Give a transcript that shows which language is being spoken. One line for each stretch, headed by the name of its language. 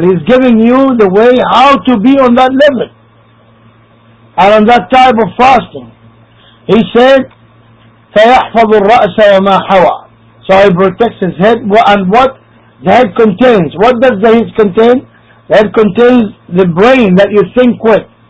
English: He's giving you the way how to be on that level and on that type of fasting. He said,
Arabic: فَيَحْفَظُ الرَّأْسَ وَمَا حَوَى.
English: So he protects his head, and what the head contains. What does the head contain? The head contains the brain that you think with.